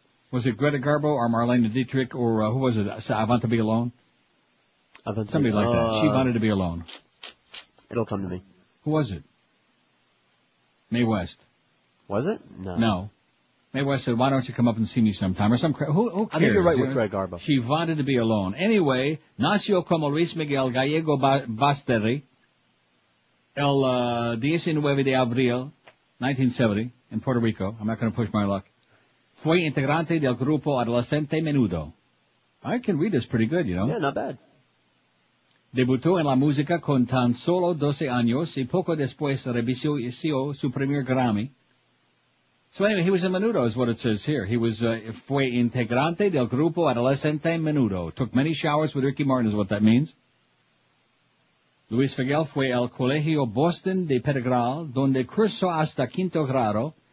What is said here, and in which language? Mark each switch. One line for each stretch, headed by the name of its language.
English: Was it Greta Garbo or Marlene Dietrich or who was it? I Want to Be Alone? Somebody like that. She wanted to be alone. It'll come to me. Who was it? Mae West. Was it? No. No. Mae West said, why don't you come up and see me sometime? Or some who cares? I think you're right with Greg Garbo. She wanted to be alone. Anyway,
Spanish: nació como Luis Miguel Gallego Basteri el 19 de abril, 1970,
English: in Puerto Rico. I'm not going to push my luck.
Spanish: Fue integrante del grupo Adolescente Menudo.
English: I can read this pretty good, you know. Yeah, not bad.
Spanish: Debutó en la música con tan solo 12 años y poco después recibió su primer Grammy.
English: So anyway, he was in Menudo is what it says here. He was,
Spanish: fue integrante del grupo Adolescente Menudo.
English: Took many showers with Ricky Martin is what that means.
Spanish: Luis Miguel fue al Colegio Boston de Pedregal, donde cursó hasta quinto grado.